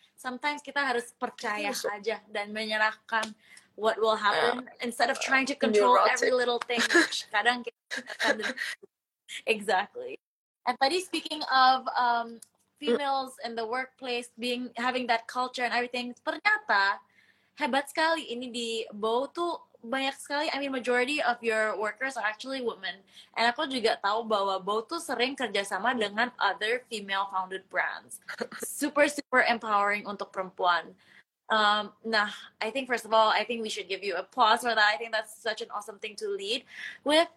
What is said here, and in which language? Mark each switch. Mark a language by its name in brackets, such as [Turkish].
[English] Sometimes [Indonesian] kita harus percaya aja dan menyerahkan [English] what will happen instead of trying to control neurotic. Every little thing. [Indonesian] Kadang kita exactly. [English] And tadi speaking of females in the workplace being having that culture and everything, [Indonesian] ternyata hebat sekali ini di BOW tuh. Banyak sekali, [English] I mean majority of your workers are actually women. [Indonesian] And aku juga tahu bahwa BOW tuh sering kerjasama dengan [English] other female founded brands. [Indonesian] Super, super empowering untuk perempuan. [English] Nah, I think first of all, I think we should give you applause for that. I think that's such an awesome thing to lead with.